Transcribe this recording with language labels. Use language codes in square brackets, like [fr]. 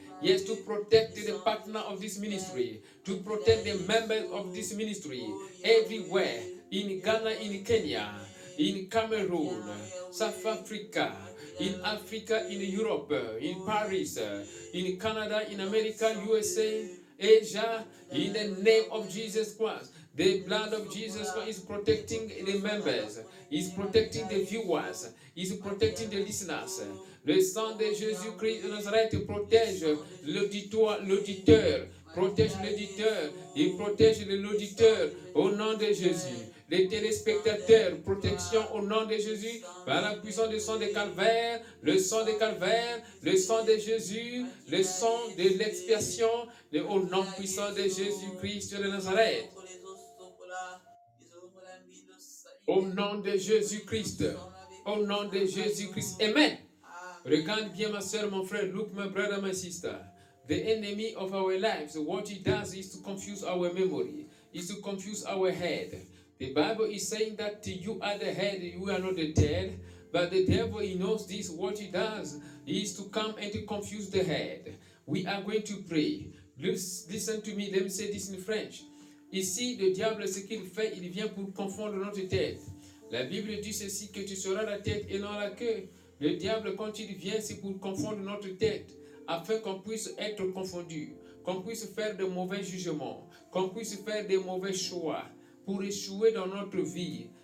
[en] Yes, to protect the partner of this ministry, to protect the members of this ministry, everywhere, in Ghana, in Kenya, in Cameroon, South Africa, in Africa, in Europe, in Paris, in Canada, in America, USA, Asia, in the name of Jesus Christ. The blood of Jesus Christ is protecting the members, is protecting the viewers, is protecting the listeners. [fr] Le sang de Jésus-Christ de Nazareth protège l'auditeur, protège l'éditeur, il protège l'auditeur au nom de Jésus. Les téléspectateurs, protection au nom de Jésus, par la puissance du sang de Calvaire, le sang de Calvaire, le sang de Jésus, le sang de l'expiation, au nom puissant de Jésus-Christ de Nazareth. Au nom de Jésus-Christ, au nom de Jésus-Christ, amen. Regarde bien ma soeur, mon frère. [en] Look, my brother, my sister. The enemy of our lives, what he does is to confuse our memory, is to confuse our head. The Bible is saying that you are the head, you are not the tail. But the devil, he knows this. What he does is to come and to confuse the head. We are going to pray. Listen to me. Let me say this in French. [fr] Ici, le diable, ce qu'il fait, il vient pour confondre notre tête. La Bible dit ceci, que tu seras la tête et non la queue. Le diable, quand il vient, c'est pour confondre notre tête, afin qu'on puisse être confondu, qu'on puisse faire de mauvais jugements, qu'on puisse faire de mauvais choix pour échouer dans notre vie.